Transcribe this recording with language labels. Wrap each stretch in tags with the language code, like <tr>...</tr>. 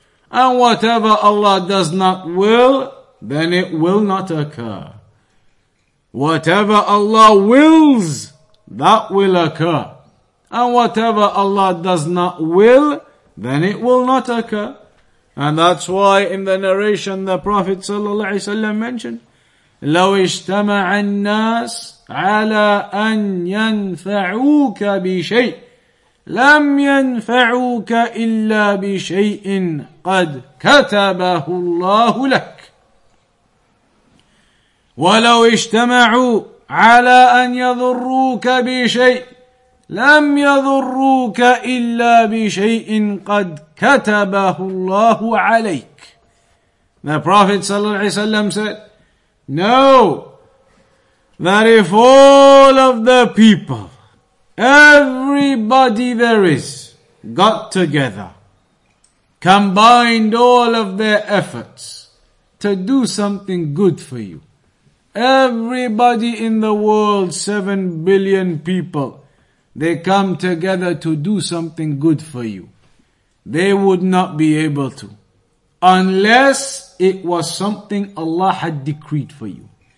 <en>And whatever Allah does not will, then it will not occur. Whatever Allah wills, that will occur. And whatever Allah does not will, then it will not occur. And that's why in the narration the Prophet ﷺ mentioned,</en> <ar>لو اجتمع الناس على أن ينفعوك بشيء لم ينفعوك إلا بشيء قد كتبه الله لك ولو اجتمعوا على أن يضروك بشيء لم يضروك إلا بشيء قد كتبه الله عليك.</ar> <en>The Prophet صلى الله عليه وسلم said, know that if all of the people, everybody there is, got together, combined all of their efforts to do something good for you, everybody in the world, 7 billion people, they come together to do something good for you, they would not be able to, unless it was something Allah had decreed for you.</en>